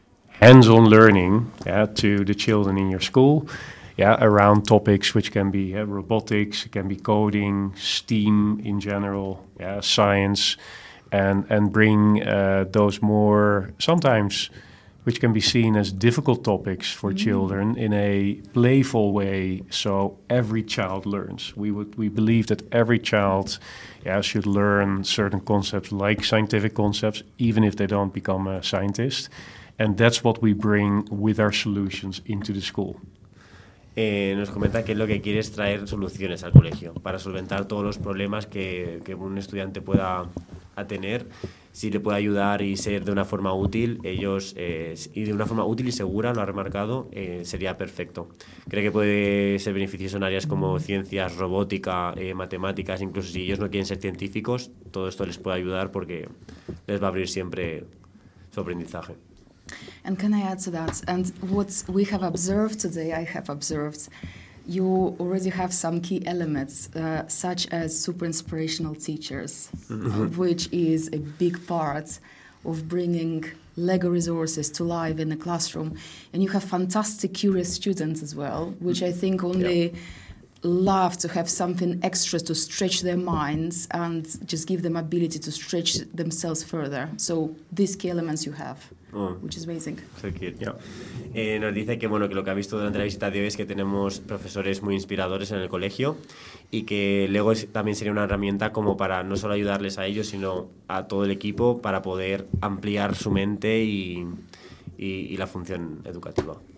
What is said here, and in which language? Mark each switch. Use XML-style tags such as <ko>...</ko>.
<en>hands-on learning to the children in your school, around topics which can be robotics, it can be coding, STEAM in general, science, and bring those more, sometimes, which can be seen as difficult topics for children in a playful way, so every child learns. We believe that every child should learn certain concepts, like scientific concepts, even if they don't become a scientist, and that's what we bring with our solutions into the school.</en> <es>Nos comenta que lo que quiere es traer soluciones al colegio para solventar todos los problemas que un estudiante pueda tener. Si le puede ayudar y ser de una forma útil, ellos y de una forma útil y segura, lo ha remarcado, sería perfecto. Cree que puede ser beneficioso en áreas como ciencias, robótica, matemáticas, incluso si ellos no quieren ser científicos, todo esto les puede ayudar porque les va a abrir siempre su aprendizaje.</es> <en>And can I add to that? And what we have observed today, I have observed, you already have some key elements, such as super inspirational teachers, which is a big part of bringing Lego resources to life in the classroom. And you have fantastic curious students as well, which I think only love to have something extra to stretch their minds and just give them ability to stretch themselves further. So these key elements you have. Which is amazing. So cute.</en> <es>Nos dice que bueno, que lo que ha visto durante la visita de hoy es que tenemos profesores muy inspiradores en el colegio y que Lego también sería una herramienta como para no solo ayudarles a ellos, sino a todo el equipo para poder ampliar su mente y la función educativa.</es>